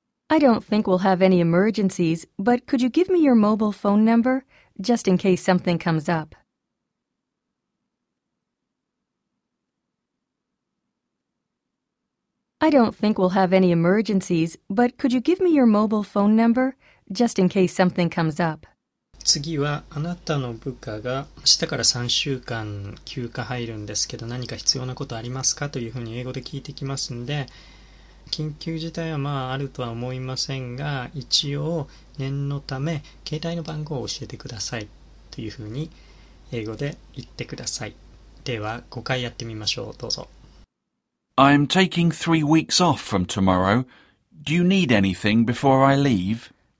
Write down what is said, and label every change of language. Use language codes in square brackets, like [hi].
[en] I don't think we'll have any emergencies, but could you give me your mobile phone number? Just in case something comes up. I don't think we'll have any emergencies, but could you give me your mobile phone number? Just in case something comes up. [ja] 次はあなたの部下が明日から3週間休暇入るんですけど、何か必要なことありますかというふうに英語で聞いてきますんで、緊急事態はまああるとは思いませんが、一応念のため携帯の番号を教えてくださいというふうに英語で言ってください。では5回やってみましょう。どうぞ。 [en] I'm taking 3 weeks off from tomorrow. Do you need anything before I leave?